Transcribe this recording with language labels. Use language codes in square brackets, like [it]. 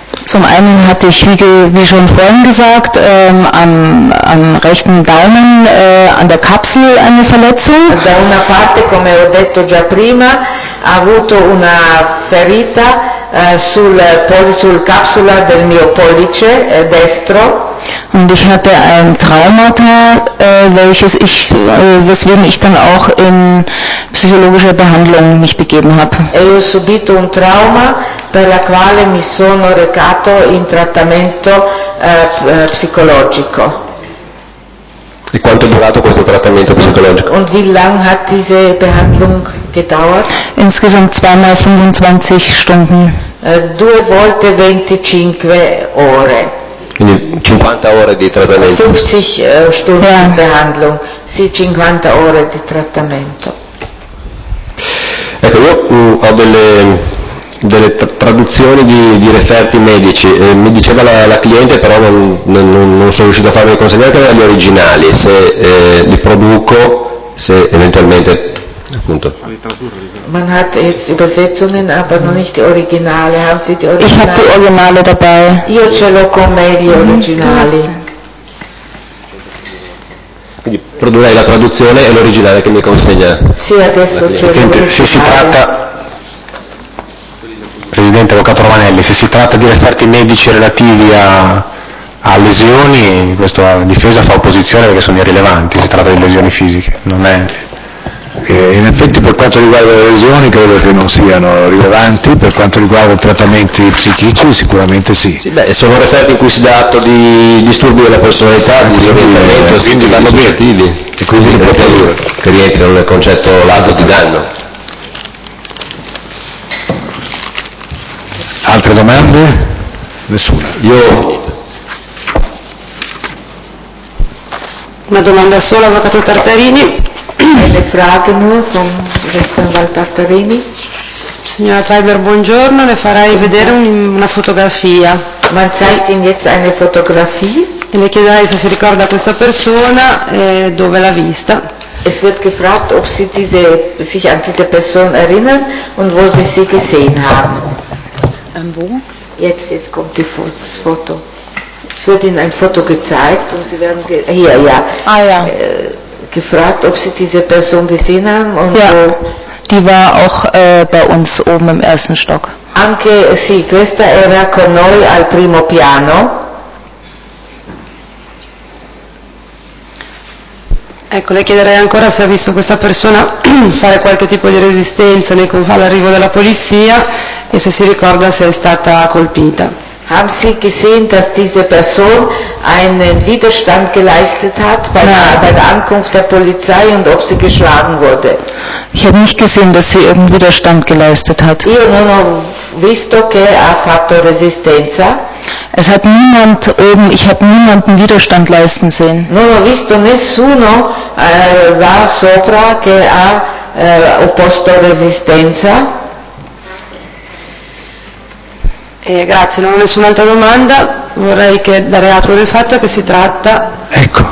[de] Zum einen hatte ich, wie schon vorhin gesagt, am rechten Daumen an der Kapsel eine Verletzung. [it] Da una parte, come ho detto già prima, ha avuto una ferita sul capsula del mio pollice destro. [de] Und ich hatte ein Traumata, welches ich, weswegen ich dann auch in psychologische Behandlung mich begeben habe. [it] E ho subito un trauma per la quale mi sono recato in trattamento psicologico. E quanto è durato questo trattamento psicologico? [de] Und wie lang hat diese Behandlung gedauert? Insgesamt 2x25 Stunden. [it] Due volte 25 ore. Quindi 50 ore di trattamento. [de] 50 Stunden ja. Behandlung. [it] Sì, 50 ore di trattamento. Ecco, io ho delle traduzioni di referti medici, mi diceva la cliente, però non sono riuscito a farmi consegnare gli originali, se li produco, se eventualmente appunto. [de] Man hat jetzt Übersetzungen, aber noch nicht die Originale. Haben Sie die Originale? Ich habe die Originale dabei. [it] Io ce l'ho con me gli originali. Quindi produrrei la traduzione e l'originale che mi consegna. Sì, adesso c'è l'originale. Se si tratta, Presidente, Avvocato Romanelli, se si tratta di referti medici relativi a lesioni, questo la difesa fa opposizione perché sono irrilevanti, si tratta di lesioni fisiche, non è... In effetti per quanto riguarda le lesioni credo che non siano rilevanti, per quanto riguarda i trattamenti psichici sicuramente sì. Sì, beh, sono referti in cui si dà atto di disturbi della personalità, di disorientamento, quindi vanno bene. E quindi le procedure che rientrano nel concetto laso di danno. Altre domande? Nessuna. Io... Una domanda sola, Avvocato Tartarini. [de] Le frage nur vom Rechtsanwalt Tartarini. [it] Signora Treiber, buongiorno, le farei vedere una fotografia. [de] Man zeigt Ihnen jetzt eine Fotografie. [it] E le chiederei se si ricorda questa persona e dove l'ha vista. [de] Es wird gefragt, ob Sie sich an diese Person erinnern und wo Sie sie gesehen haben. Wo? Jetzt kommt das Foto. Es wird Ihnen ein Foto gezeigt und Sie werden hier, ja. Ah ja. Gefragt, ob Sie diese Person gesehen haben und ja, wo. Die war auch bei uns oben im ersten Stock. [it] Anche sì, questa era con noi al primo piano. Ecco, le chiederei ancora se ha visto questa persona fare qualche tipo di resistenza all'arrivo della polizia e se si ricorda se è stata colpita. [de] Haben Sie gesehen, dass diese Person einen Widerstand geleistet hat bei der Ankunft der Polizei und ob sie geschlagen wurde? Ich habe nicht gesehen, dass sie irgendeinen Widerstand geleistet hat. [it] Io non ho visto che ha fatto resistenza. [de] Es hat niemand oben, ich habe niemanden Widerstand leisten sehen. [it] Non ho visto nessuno là sopra che ha opposto resistenza. Grazie, non ho nessun'altra domanda, vorrei che dare atto del fatto che si tratta, ecco.